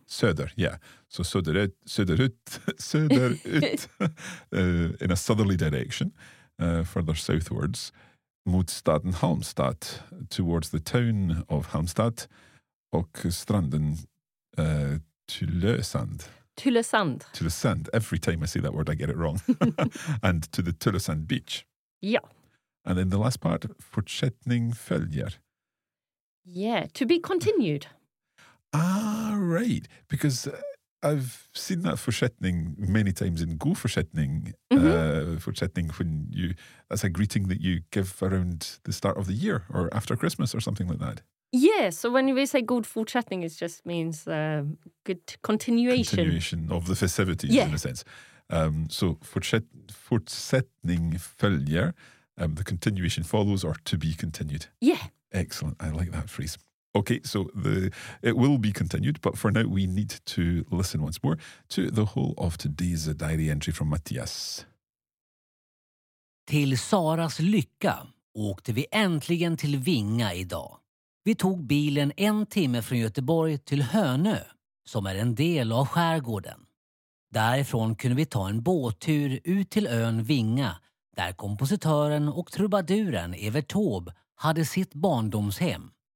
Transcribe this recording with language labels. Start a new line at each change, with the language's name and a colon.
Swedish: Söder,
English: yeah.
Swedish: So söderut
English: in a southerly direction, further southwards,
Swedish: mot staden Halmstad,
English: towards the town of Halmstad,
Swedish: och stranden Tylösand. Tylösand. Tylösand.
English: Every time I say that word, I get it wrong. And to the Tylösand beach.
Swedish: Ja.
English: And then the last part,
Swedish: fortsättning följer.
English: Yeah, to be continued. Ah, right. Because I've seen that fortsättning many times in
Swedish: Go fortsättning.
English: Mm-hmm. Fortsättning, when you, that's a greeting that you give around the start of the year or after Christmas or something like that. Yeah, so when we say
Swedish: God fortsättning,
English: it just means good continuation. Continuation of the festivities, yeah. In a sense. So
Swedish: fortsättning följer,
English: the continuation follows or to be continued. Yeah. Excellent, I like that phrase. Okay, so it will be continued, but for now we need to listen once more to the whole of today's diary entry from Mattias.
Swedish: Till Saras lycka åkte vi äntligen till Vinga idag. Vi tog bilen en timme från Göteborg till Hönö, som är en del av skärgården. Därifrån kunde vi ta en båttur ut till ön Vinga, där kompositören och trubaduren Evert Taube hade sitt barndomshem.